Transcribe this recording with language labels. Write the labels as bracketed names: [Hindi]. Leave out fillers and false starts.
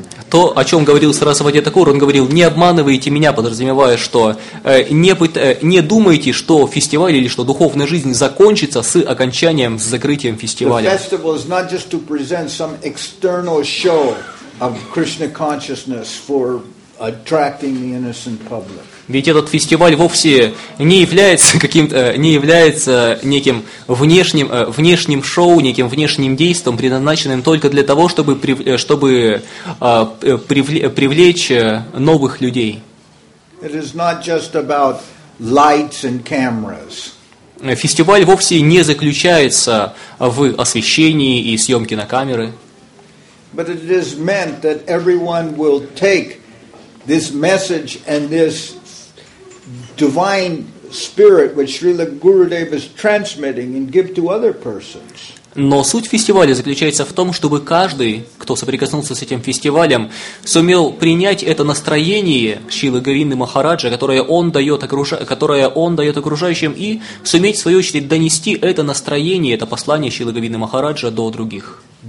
[Russian] То, о чем говорил Сарасвати Такур, он говорил: "Не обманывайте меня", подразумевая, что не думайте, что фестиваль или что духовная жизнь закончится с окончанием, с закрытием фестиваля. [English] The festival is not just to present some external show of Krishna consciousness for attracting the innocent public. [Russian] Ведь этот фестиваль вовсе не является неким внешним шоу, неким внешним действом, предназначенным только для того, чтобы привлечь новых людей. [English] It is not just about lights and cameras. [Russian] Фестиваль вовсе не заключается в освещении и съемке на камеры. [English] But it is meant that everyone will take this message and this divine spirit which Srila Gurudev is transmitting and give to other persons. [Russian] Но суть фестиваля заключается в том, чтобы каждый, кто соприкоснулся с этим фестивалем, сумел принять это настроение Шрилы Говинды Махараджа, которое он дает окружающим, и суметь в свою очередь донести это настроение, это послание Шрилы Говинды Махараджа до других.